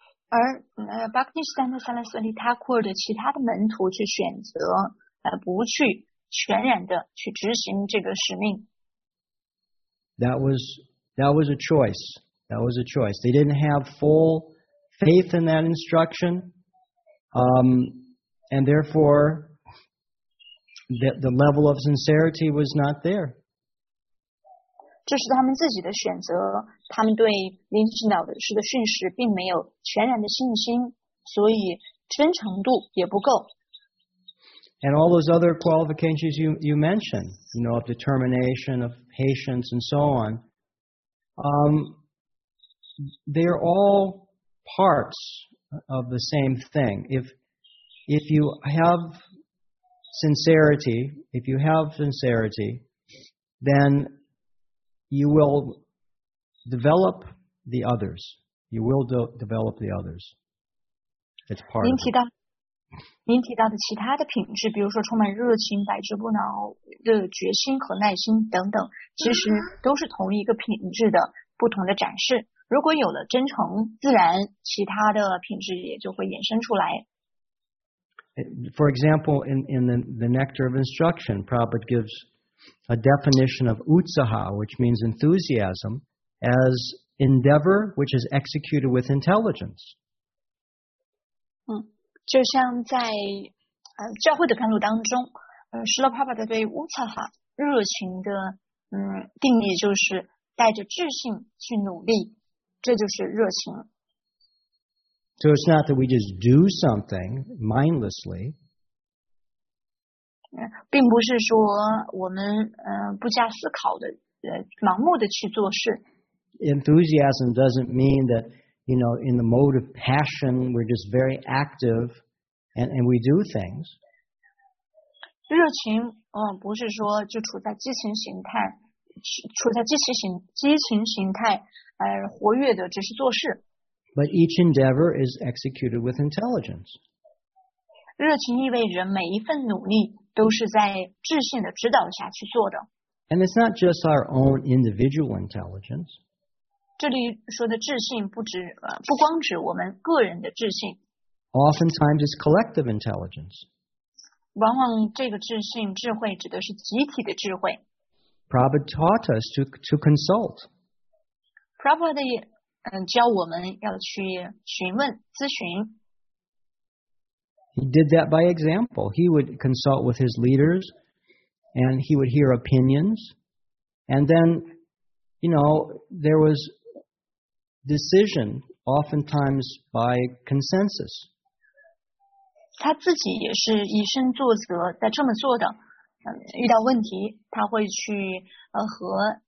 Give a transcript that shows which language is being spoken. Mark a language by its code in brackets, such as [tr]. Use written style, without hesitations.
[zh] 而、Bhaktisiddhanta Saraswati Thakur 的其他的门徒去选择、不去全然的去执行这个使命。 [en] That was a choice. That was a choice. They didn't have full faith in that instruction, and therefore... The level of sincerity was not there. [zh] 这是他们自己的选择，他们对灵性导师的训示并没有全然的信心，所以真诚度也不够。 [en] And all those other qualifications you mentioned, you know, of determination, of patience, and so on, they are all parts of the same thing. If you havesincerity, if you have sincerity, then you will develop the others. You will develop the others. It's part of it. [zh] 您提到的其他的品质，比如说充满热情、百折不挠的决心和耐心等等，其实都是同一个品质的不同的展示。如果有了真诚，自然其他的品质也就会衍生出来。 [en] For example, in the Nectar of Instruction, Prabhupada gives a definition of utsaha, which means enthusiasm, as endeavor which is executed with intelligence. [zh] 就像在、教会的甘露当中、Srila Prabhupada 对 utsaha 热情的、定义就是带着智性去努力，这就是热情。 [en] So it's not that we just do something mindlessly. [zh] 并不是说我们、不加思考的、盲目的去做事。 [en] Enthusiasm doesn't mean that, you know, in the mode of passion, we're just very active and we do things. [zh] 热情、不是说就处在激情形态、处在激情形态、活跃的只是做事。 [en] But each endeavor is executed with intelligence. [zh] 热情意味着每一份努力都是在智性的指导下去做的。 [en] And it's not just our own individual intelligence. [zh] 这里说的智性不只、不光指我们个人的智性。 [en] Oftentimes it's collective intelligence. [zh] 往往这个智性智慧指的是集体的智慧。 [en] Prabhupada taught us to consult. [zh] Prabhupada教我们要去询问咨询。 [en] He did that by example. He would consult with his leaders, and he would hear opinions, and then, you know, there was decision, oftentimes by consensus. [zh] 他自己也是以身作则，在这么做的。遇到问题，他会去和。